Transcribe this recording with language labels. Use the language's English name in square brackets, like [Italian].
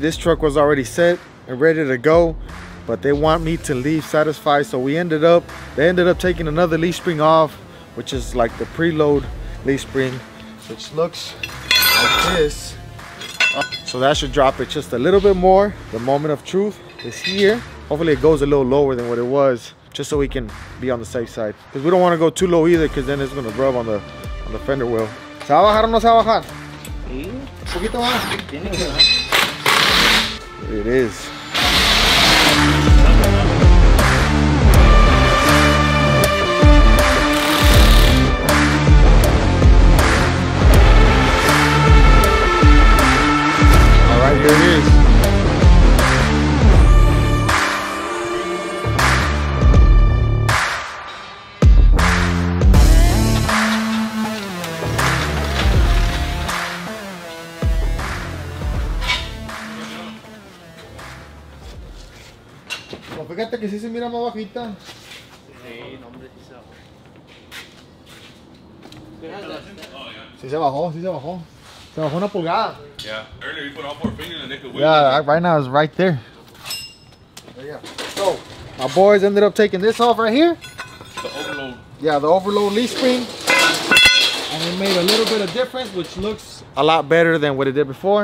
[English] This truck was already set and ready to go, but they want me to leave satisfied, so they ended up taking another leaf spring off, which is like the preload leaf spring, which looks like this. So that should drop it just a little bit more. The moment of truth is here. Hopefully it goes a little lower than what it was, just so we can be on the safe side, because we don't want to go too low either, because then it's going to rub on the fender wheel. [Spanish] ¿Se va a bajar o no se va a bajar? [English] It is. All right, here it is. [Spanish] Fíjate que sí se mira más bajita. Sí, no, hombre, sí se bajó. Sí se bajó, sí se bajó. Se bajó una pulgada. [English] Yeah, earlier you put all four fingers and they could win. Yeah, right now it's right there. So, my boys ended up taking this off right here. The overload. Yeah, the overload leaf spring. And it made a little bit of difference, which looks a lot better than what it did before.